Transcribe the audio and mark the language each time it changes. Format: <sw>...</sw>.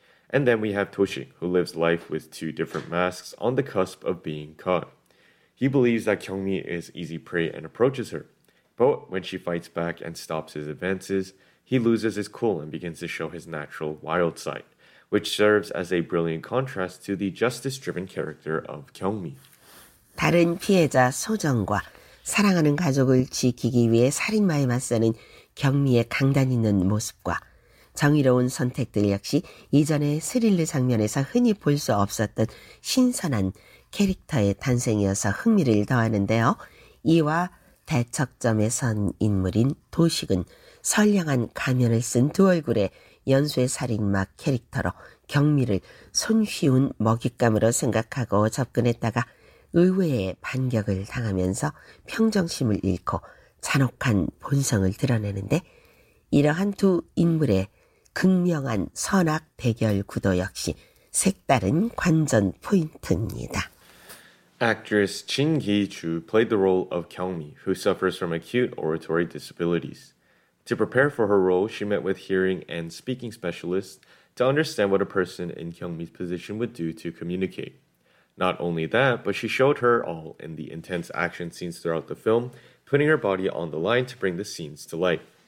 <en>And then we have Toshi, who lives life with two different masks on the cusp of being caught. He believes that Kyungmi is easy prey and approaches her. But when she fights back and stops his advances, he loses his cool and begins to show his natural wild side, which serves as a brilliant contrast to the justice-driven character of Kyungmi.</en> <ko>다른 피해자 소정과 사랑하는 가족을 지키기 위해 살인마에 맞서는 경미의 강단 있는 모습과 정의로운 선택들 역시 이전의 스릴러 장면에서 흔히 볼 수 없었던 신선한 캐릭터의 탄생이어서 흥미를 더하는데요. 이와 대척점에 선 인물인 도식은 선량한 가면을 쓴 두 얼굴의 연쇄 살인마 캐릭터로 경미를 손쉬운 먹잇감으로 생각하고 접근했다가 의외의 반격을 당하면서 평정심을 잃고 잔혹한 본성을 드러내는데 이러한 두 인물의 극명한 선악 대결 구도 역시 색다른 관전 포인트입니다.</ko> <en>Actress Jin Ki-ju played the role of Kyungmi, who suffers from acute auditory disabilities. To prepare for her role, she met with hearing and speaking specialists to understand what a person in Kyungmi's position would do to communicate. Not only that, but she showed her all in the intense action scenes throughout the film, putting her body on the line to bring the scenes to life.</en>